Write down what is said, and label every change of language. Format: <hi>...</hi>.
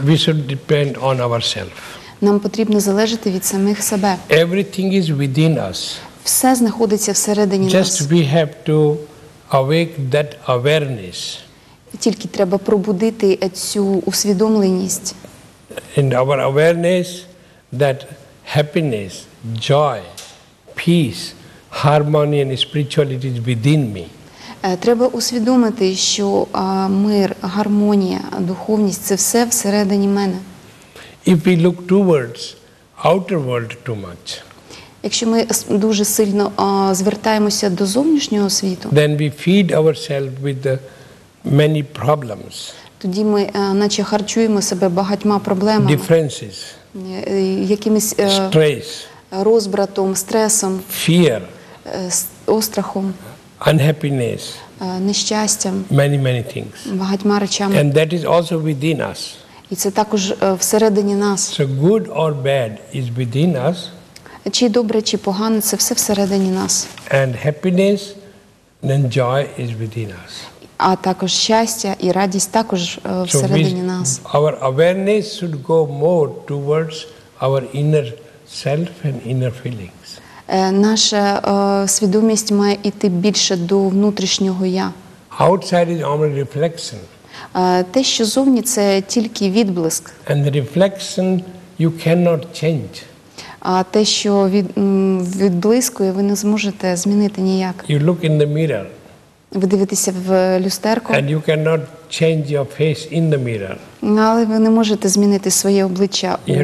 <en>We should depend on ourselves.</en> <uk>Нам потрібно залежати від самих себе.</uk> <en>Everything is within us.</en> <uk>Все знаходиться всередині нас.</uk> <en>Just we have to awake that awareness.</en> <uk>Тільки треба пробудити цю усвідомленість.</uk> <en>And our awareness that happiness, joy, peace, harmony and spirituality is within me.</en> <uk>Треба усвідомити, що мир, гармонія, духовність – це все всередині мене.</uk> <en>If we look towards outer world too much,</en> <uk>якщо ми дуже сильно звертаємося до зовнішнього світу,</uk> <en>then we feed ourselves with many problems.</en> <uk>Тоді ми наче харчуємо себе багатьма проблемами.</uk> <en>Differences.</en> <uk>Якимись</uk> <en>stress,</en> <uk>розбратом, стресом.</uk> <en>Fear.</en> <uk>Острахом.</uk> <en>Unhappiness,</en> <uk>нещастям,</uk> <en>many things,</en> <uk>багатьма речами,</uk> <en>and that is also within us.</en> <uk>І це також всередині нас.</uk> <en>So good or bad is within us.</en> <uk>Чи добре, чи погане, це все всередині нас.</uk> <en>And happiness and joy is within us.</en> <uk>А також щастя і радість також всередині нас.</uk> <en>Our awareness should go more towards our inner self and inner feelings.</en> <uk>Наша свідомість має йти більше до внутрішнього «я».</uk> <en>Outside is only reflection.</en> <uk>Те, що зовні, це тільки відблиск.</uk> <en>And the reflection you cannot change.</en> <uk>А те, що відблискує, ви не зможете змінити ніяк.</uk> <en>You look in the mirror.</en> <uk>Ви дивитеся в люстерку.</uk> <en>And you cannot change your face in the mirror.</en> <uk>Але ви не можете змінити своє обличчя</uk>